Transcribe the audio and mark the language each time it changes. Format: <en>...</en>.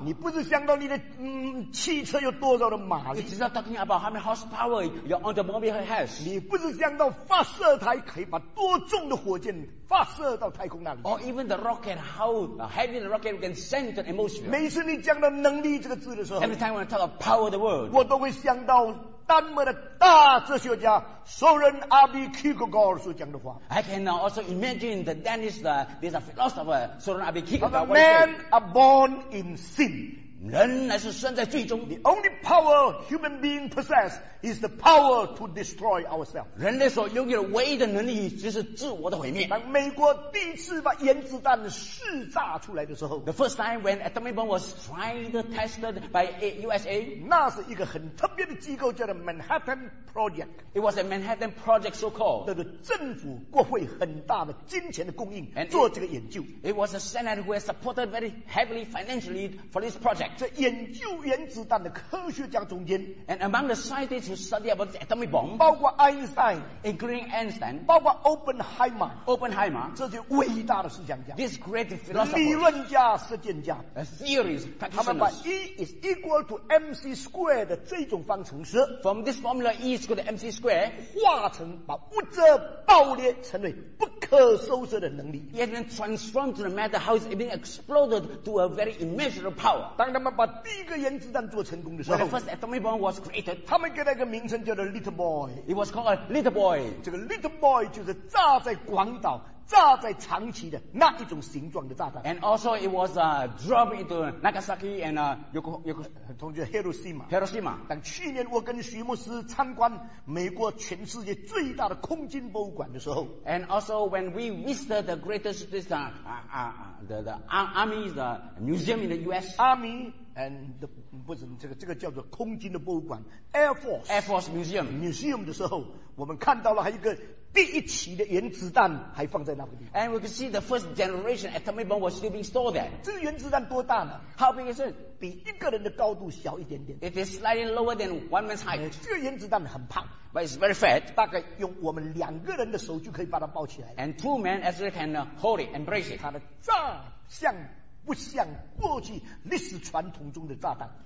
<zh>你不是想到你的、汽车有多少的马力</zh> <en>It's not talking about how many horsepower your automobile has.</en> <zh>你不是想到发射台可以把多重的火箭发射到太空那里</zh> <en>Or even the rocket, how heavy the rocket can send to the atmosphere.</en> <zh>每次你讲到能力这个字的时候</zh> <en>Every time we talk about power the world,</en> <zh>我都会想到丹麦的大哲学家索伦阿比基格高尔所讲的话</zh> <en>I can also imagine the Danish there's a philosopher Soren Abbe Kierkegaard A man are born in sin</en> <zh>人乃是生在罪中</zh> <en>The only power human being possess is the power to destroy ourselves</en> <zh>人类所拥有的唯一的能力就是自我的毁灭当美国第一次把原子弹试炸出来的时候</zh> <en>The first time when atomic bomb was tried tested by USA</en> <zh>那是一个很特别的机构叫做 Manhattan Project</zh> <en>It was a Manhattan Project so called</en> <zh>那个政府国会很大的金钱的供应</zh> <en>And</en> <zh>做这个研究</zh> <en>It was a Senate who has supported very heavily financially for this project</en> <zh>在研究原子弹的科学家中间</zh> <en>And among the scientists To study about the atomic bomb,</en> <zh>包括 Einstein,</zh> <en>including Einstein,</en> <zh>包括 Oppenheimer,</zh> <en>Oppenheimer,</en> <zh>这些伟大的思想家</zh> <en>this great philosopher,</en> <zh>理论家、实践家</zh> <en>a theories, practitioners,</en> <zh>他们把</zh> <en>E is equal to mc squared</en> <zh>的这种方程式</zh> <en>from this formula E is equal to mc squared,</en> <zh>化成把物质爆裂成为不可收拾的能力</zh> <en>yet then transformed to the matter how it's being exploded to a very immeasurable power.</en> <zh>当他们把第一个原子弹做成功的时候</zh> <en>when the first atomic bomb was created,</en> <zh>他们给那个名称叫做 Little Boy</zh> <en>It was called a Little Boy</en> <zh>这个 Little Boy 就是炸在广岛炸在长崎的那一种形状的炸弹</zh> <en>And also it was dropped into Nagasaki and Yokohama</en> <zh>同学 Hiroshima</zh> <en>Hiroshima</en> <zh>当去年我跟徐牧师参观美国全世界最大的空军博物馆的时候</zh> <en>And also when we visited the greatest the Army the museum in the US Army and the</en> <zh>不是这个叫做空军的博物馆 Air Force</zh> <en>Air Force Museum</en> <zh>Museum 的时候我们看到了还有一个第一期的原子弹还放在那个地方</zh> <en>And we can see the first generation atomic bomb was still being stored there</en> <zh>这个原子弹多大呢</zh> <en>How big is it?</en> <zh>比一个人的高度小一点点</zh> <en>It is slightly lower than one man's height</en> <zh>这个原子弹很胖</zh> <en>But it's very fat</en> <zh>大概用我们两个人的手就可以把它抱起来</zh> <en>And two men actually can hold it, embrace it</en> <zh>它的炸像不像过去历史传统中的炸弹</zh>